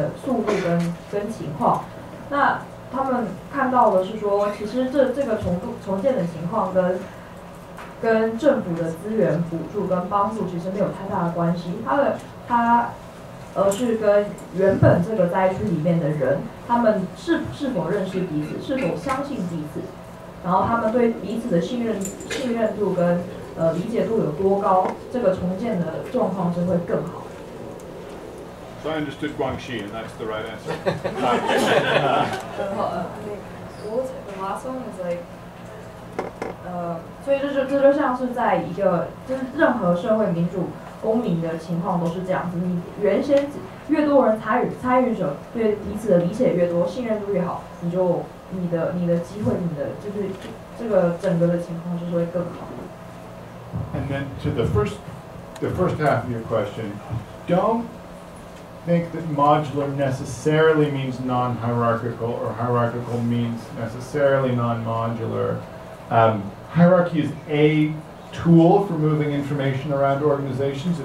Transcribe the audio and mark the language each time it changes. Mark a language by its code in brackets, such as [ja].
[zh] 那他说其实只要有任何方式的参与，你的社会资本就已经提升了，只要参与的人是够越多，你的就是有在进步。那他说举例就是这就像在一个灾难过后，他们如果来看说在灾区后的人民他们是否能够重建的速度跟情况，那他们看到的是说，其实这个重建的情况跟政府的资源补助跟帮助其实没有太大的关系，而是跟原本这个灾区里面的人，他们是否认识彼此，是否相信彼此，然后他们对彼此的信任度跟理解度有多高，这个重建的状况就会更好。 [en] So I understood Guangxi, and that's the right answer. The last one is like, [zh] 所以这就像是在一个就是任何社会民主公民的情况都是这样子。你原先越多人参与者对彼此的理解越多，信任度越好，你的机会，你的就是这个整个的情况就是会更好。 [en] And then to the first half of your question, don't think that modular necessarily means non-hierarchical, or hierarchical means necessarily non-modular. Hierarchy is a tool for moving information around organizations.